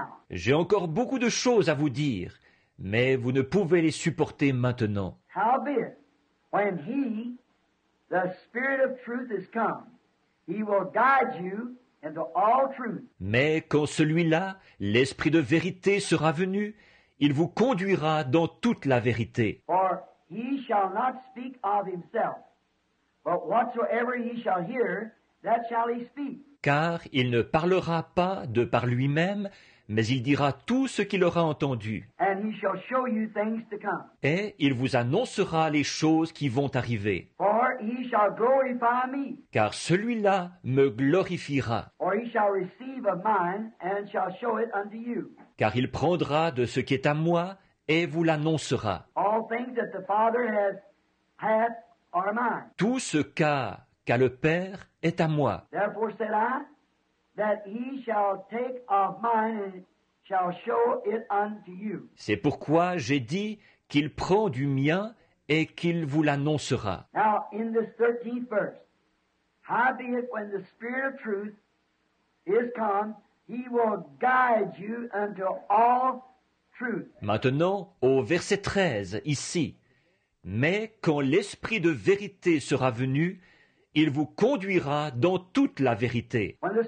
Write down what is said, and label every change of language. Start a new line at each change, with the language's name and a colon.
French: J'ai encore beaucoup de choses à vous dire, mais vous ne pouvez les supporter maintenant.
English: Howbeit, when he, the Spirit of truth, is come, he will guide you into all truth.
French: Mais quand celui-là, l'Esprit de vérité, sera venu, il vous conduira dans toute la vérité.
English: For he shall not speak of himself. But whatsoever he shall hear, that shall he speak.
French: Car il ne parlera pas de par lui-même, mais il dira tout ce qu'il aura entendu.
English: And he shall show you things to come.
French: Et il vous annoncera les choses qui vont arriver.
English: For he shall glorify me.
French: Car celui-là me glorifiera.
English: Or he shall receive of mine and shall show it unto you.
French: Car il prendra de ce qui est à moi et vous l'annoncera.
English: All things that the Father hath are mine.
French: Tout ce qu'a le Père est à moi.
English: Therefore said I, that he shall take of mine and shall show it unto you.
French: C'est pourquoi j'ai dit qu'il prend du mien et qu'il vous l'annoncera.
English: Now in this 13th verse, howbeit when the Spirit of truth is come, he will guide you unto all truth.
French: Maintenant au verset 13 ici, mais quand l'Esprit de vérité sera venu, il vous conduira dans toute la vérité.